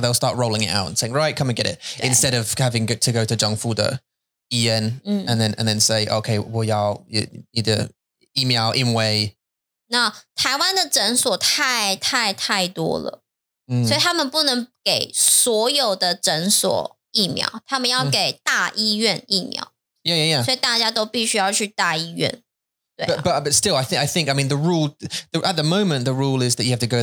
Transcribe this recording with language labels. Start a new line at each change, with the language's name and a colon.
English: They'll start rolling it out and saying, right, come and get it, instead of having to go to
Chinese: 政府的医院
English: and then say, okay,
Chinese: 我要你的疫苗，因为那台湾的诊所太多了。所以他们不能给所有的诊所疫苗，他们要给大医院疫苗。
English: Yeah.
Chinese: 所以大家都必须要去大医院。对、啊。
English: But still, I think the rule at the moment the rule is that you have to go.